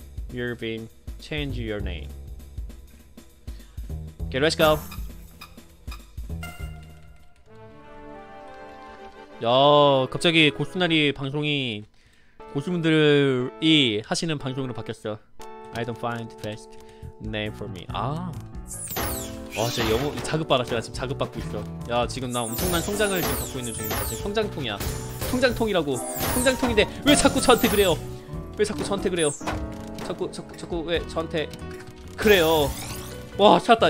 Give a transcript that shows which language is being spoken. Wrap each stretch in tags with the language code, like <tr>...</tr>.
<en>You've been changed your name. Okay, let's go.</en> <ko>야, 갑자기 고스나리 방송이. 고수분들이 하시는 방송으로 바뀌었어.</ko> <en>I don't find the best name for me.</en> <ko>아, 와, 진짜 영어 자극 받았어. 나 지금 자극 받고 있어. 야, 지금 나 엄청난 성장을 지금 갖고 있는 중이야. 지금 성장통이야. 성장통이라고. 성장통인데 왜 자꾸 저한테 그래요? 왜 자꾸 저한테 그래요? 자꾸 왜 저한테 그래요? 와, 찾았다.</ko>